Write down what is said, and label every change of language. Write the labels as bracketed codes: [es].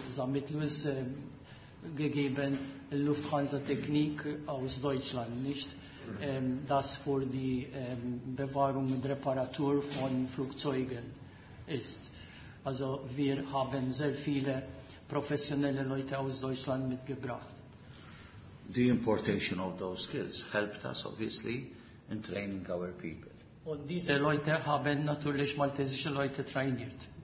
[de] Samit-Lewis gegeben Lufthansa-Technik aus Deutschland, nicht? Das für die Bewahrung und Reparatur von Flugzeugen ist. Also wir haben sehr viele professionelle Leute aus Deutschland mitgebracht. [en] The importation of those skills helped us, obviously, in training our people. [de] Und diese Leute haben natürlich maltesische Leute trainiert.